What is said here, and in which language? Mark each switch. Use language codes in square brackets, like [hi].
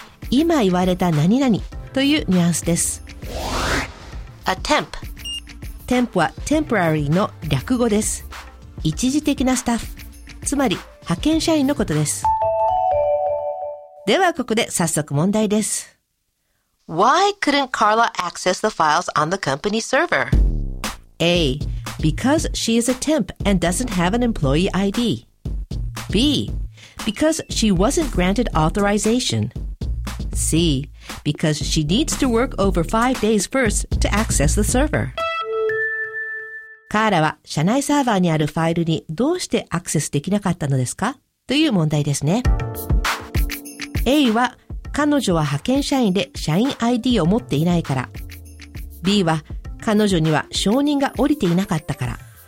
[ja] 今言われた何々というニュアンスです。 [en] A temp. [ja] temp は temporary の略語です。一時的なスタッフ、つまり派遣社員のことです。ではここで早速問題です。 [en] Why couldn't Carla access the files on the company server? A. Because she is a temp and doesn't have an employee ID. B. Because she wasn't granted authorization. C. Because she needs to work over 5 days first to access the server. [ja] Carla は社内サーバーにあるファイルにどうしてアクセスできなかったのですか？という問題ですね。 A は彼女は派遣社員で社員 ID を持っていないから。 B は彼女には承認が降りていなかったから。